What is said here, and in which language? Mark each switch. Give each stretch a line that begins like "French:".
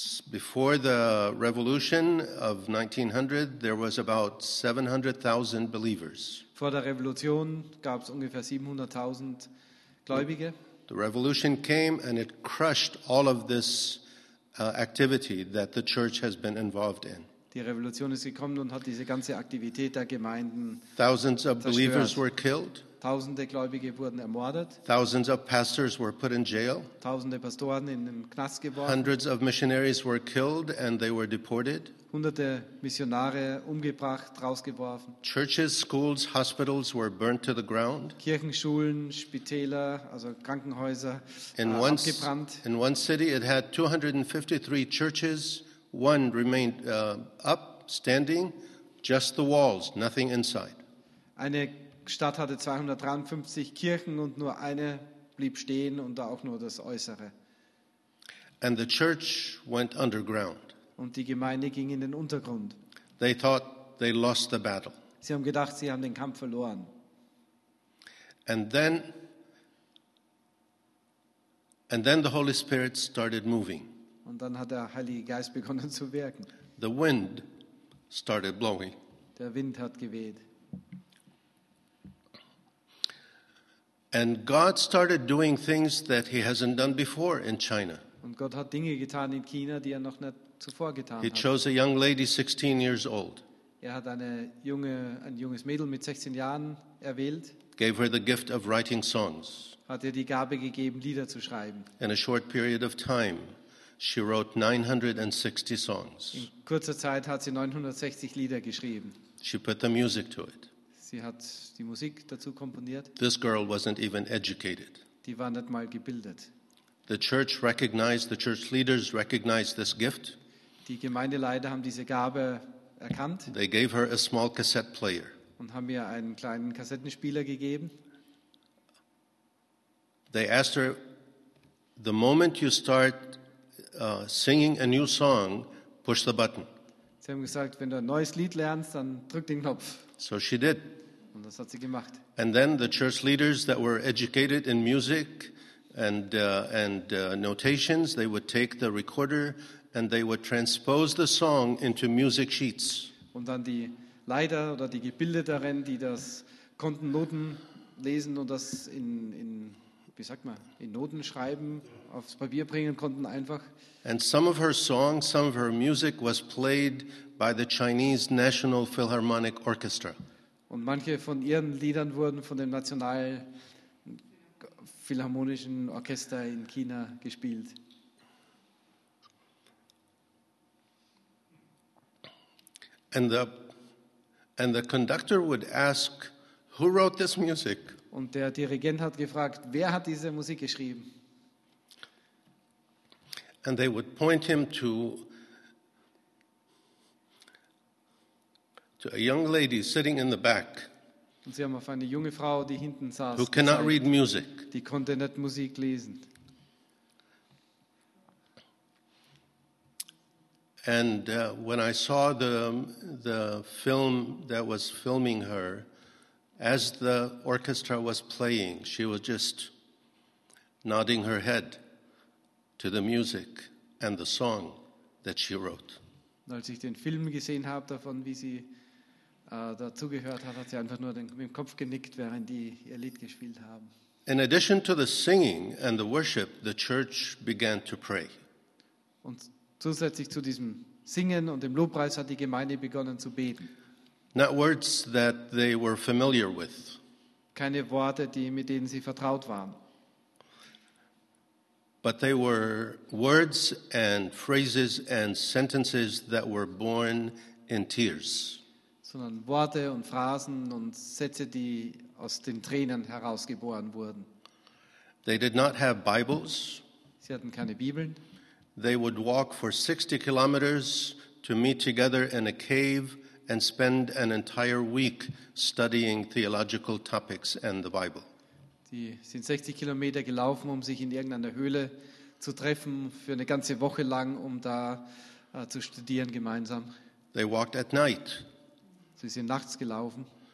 English: Before the revolution of 1900, there was about 700,000 believers.
German: Vor der Revolution gab es ungefähr 700,000 Gläubige.
English: The revolution came and it crushed all of this activity that the church has been involved in.
German: Die Revolution ist gekommen und hat diese ganze Aktivität der Gemeinden zerstört.
English: Thousands of believers were killed.
German: Tausende Gläubige wurden ermordet.
English: Thousands of pastors were put in jail.
German: Tausende Pastoren in den Knast geworfen.
English: Hundreds of missionaries were killed and they were deported.
German: Hunderte Missionare umgebracht, rausgeworfen.
English: Churches, schools, hospitals were burnt to the ground.
German: Kirchenschulen, Spitäler, also Krankenhäuser, abgebrannt.
English: In one city it had 253 churches. One remained up, standing, just the walls, nothing inside.
German: Eine Stadt hatte 253 Kirchen und nur eine blieb stehen und da auch nur das Äußere.
English: And the church went underground.
German: Und die Gemeinde ging in den Untergrund.
English: They thought they lost the battle.
German: Sie haben gedacht, sie haben den Kampf verloren.
English: And then the Holy Spirit started moving.
German: Und dann hat der Heilige Geist begonnen zu wirken.
English: The wind started blowing.
German: Der Wind hat geweht.
English: And God started doing things that he hasn't done before in China.
German: Und Gott hat Dinge getan in China, die er noch nicht zuvor getan hat.
English: He chose a young lady 16 years old.
German: Er hat ein junges Mädel mit 16 Jahren erwählt.
English: Gave her the gift of writing songs.
German: Hat ihr die Gabe gegeben, Lieder zu schreiben.
English: In a short period of time, she wrote 960 songs.
German: In kurzer Zeit hat sie 960 Lieder geschrieben.
English: She put the music to it.
German: Sie hat die Musik dazu komponiert.
English: This girl wasn't even educated.
German: Die war nicht mal gebildet.
English: The church leaders recognized this gift.
German: Die Gemeindeleiter haben diese Gabe erkannt.
English: They gave her a small cassette player.
German: Und haben ihr einen kleinen Kassettenspieler gegeben.
English: They asked her, the moment you start singing a new song, push the button.
German: Sie haben gesagt, wenn du ein neues Lied lernst, dann drück den Knopf.
English: So she did.
German: Und das hat sie gemacht.
English: And then the church leaders that were educated in music and notations, they would take the recorder and they would transpose the song into music sheets.
German: Und dann die Leiter oder die Gebildeteren, die das konnten, Noten lesen und das in Noten schreiben, aufs Papier bringen konnten einfach.
English: And some of her songs, some of her music was played by the Chinese National Philharmonic Orchestra.
German: Und manche von ihren Liedern wurden von dem National Philharmonischen Orchester in China gespielt.
English: And the And the conductor would ask, who wrote this music?
German: Und der Dirigent hat gefragt, wer hat diese Musik geschrieben?
English: And they would point him to a young lady sitting in the back.
German: Und sie haben auf eine junge Frau, die hinten saß,
English: who cannot read music.
German: Die konnte nicht Musik lesen.
English: And when I saw the film that was filming her, as the orchestra was playing, she was just nodding her head to the music and the song that she wrote.
German: Als ich den Film gesehen habe davon, wie sie dazugehört hat, hat sie einfach nur mit dem Kopf genickt, während die ihr Lied gespielt haben.
English: In addition to the singing and the worship, the church began to pray.
German: Und zusätzlich zu diesem Singen und dem Lobpreis hat die Gemeinde begonnen zu beten.
English: Not words that they were familiar with.
German: Keine Worte, mit denen sie vertraut waren.
English: But they were words and phrases and sentences that were born in tears.
German: Sondern Worte und Phrasen und Sätze, die aus den Tränen herausgeboren wurden.
English: They did not have Bibles.
German: Sie hatten keine Bibeln.
English: They would walk for 60 kilometers to meet together in a cave and spend an entire week studying theological topics and the Bible.
German: Sie sind 60 Kilometer gelaufen, um sich in irgendeiner Höhle zu treffen für eine ganze Woche lang, um da zu studieren gemeinsam.
English: They walked at night.
German: Sie sind nachts gelaufen.